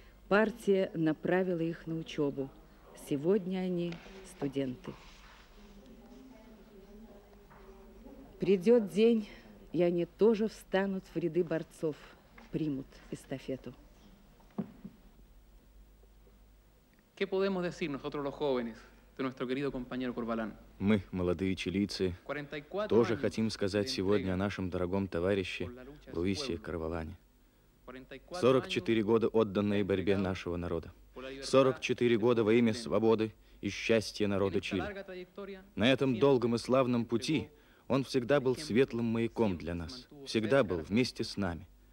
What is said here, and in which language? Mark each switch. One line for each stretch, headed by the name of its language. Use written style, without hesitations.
Russian: Партия направила их на учебу. Сегодня они студенты. Придет день, и они тоже встанут в ряды борцов, примут эстафету.
Spanish: ¿Qué podemos decir nosotros los jóvenes de nuestro querido compañero Corbalán?
Russian: Мы, молодые чилийцы, тоже хотим сказать сегодня о нашем дорогом товарище Луисе Карвалане. 44 года отданной борьбе нашего народа. 44 года во имя свободы и счастья народа Чили. На этом долгом и славном пути он всегда был светлым маяком для нас, всегда был вместе с нами.